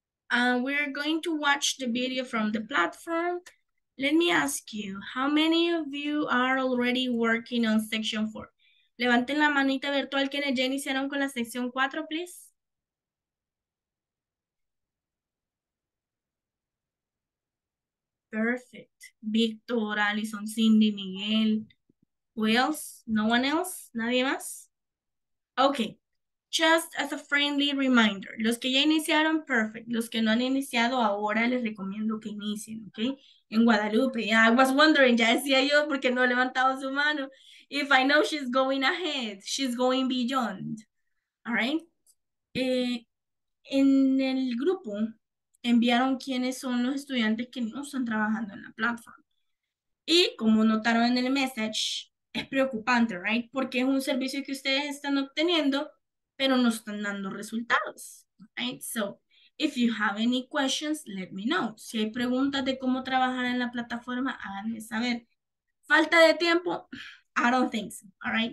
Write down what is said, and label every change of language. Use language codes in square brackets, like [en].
[en] We're going to watch the video from the platform. Let me ask you, how many of you are already working on section 4? [es] Levanten la manita virtual quienes ya iniciaron con la sección 4, please. [en] Perfect. Víctor, Alison, Cindy, Miguel. Who else? No one else? [es] Nadie más? [en] Okay. Just as a friendly reminder. [es] Los que ya iniciaron, [en] perfect. [es] Los que no han iniciado, ahora les recomiendo que inicien, okay? En Guadalupe. [en] Yeah, I was wondering, [es] ya decía yo, porque no levantaba su mano. [en] If I know she's going ahead, she's going beyond. All right? [es] En el grupo, enviaron quiénes son los estudiantes que no están trabajando en la plataforma. Y como notaron en el message, es preocupante, right? Porque es un servicio que ustedes están obteniendo, pero no están dando resultados, right? [en] So, if you have any questions, let me know. [es] Si hay preguntas de cómo trabajar en la plataforma, háganme saber. Falta de tiempo, [en] I don't think so, all right?